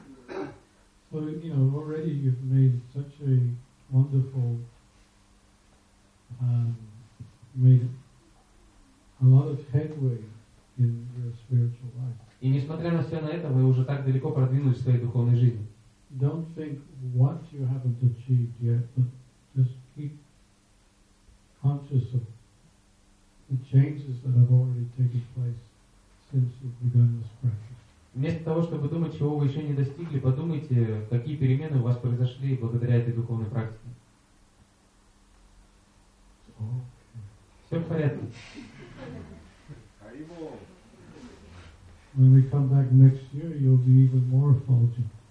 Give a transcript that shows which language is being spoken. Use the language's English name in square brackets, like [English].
[English] So, you know, already you've made such a wonderful, made a lot of headway in your spiritual life. [Russian] И несмотря на все на это, вы уже так далеко продвинулись в своей духовной жизни. [English] Don't think what you haven't achieved yet, but just keep conscious of the changes that have already taken place since you've begun this practice. [Russian] Вместо того, чтобы думать, чего вы еще не достигли, подумайте, какие перемены у вас произошли благодаря этой духовной практике. Все в порядке. [English] When we come back next year, you'll be even more effulgent.